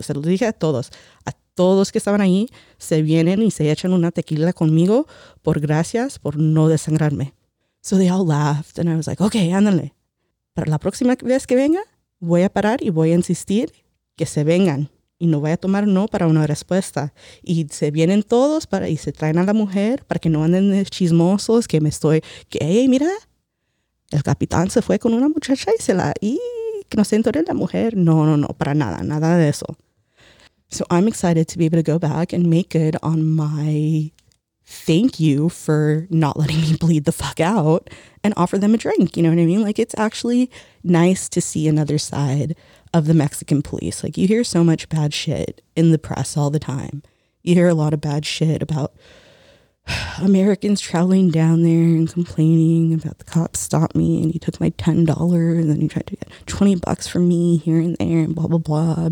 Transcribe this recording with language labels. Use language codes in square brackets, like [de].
[es] Se los dije a todos que estaban ahí, se vienen y se echan una tequila conmigo por gracias por no desangrarme. [en] So they all laughed and I was like, okay, ándale. [es] Para la próxima vez que venga, voy a parar y voy a insistir que se vengan. Y no voy a tomar no para una respuesta. Y se vienen todos para, y se traen a la mujer para que no anden chismosos que me estoy, que hey, mira, el capitán se fue con una muchacha y se la, y que no se entore la mujer. No, no, no, para nada, nada de eso. [en] So I'm excited to be able to go back and make good on my thank you for not letting me bleed the fuck out and offer them a drink. You know what I mean? Like, it's actually nice to see another side of the Mexican police. Like, you hear so much bad shit in the press all the time. You hear a lot of bad shit about Americans traveling down there and complaining about the cops stopped me and he took my $10 and then he tried to get $20 from me here and there and blah, blah, blah.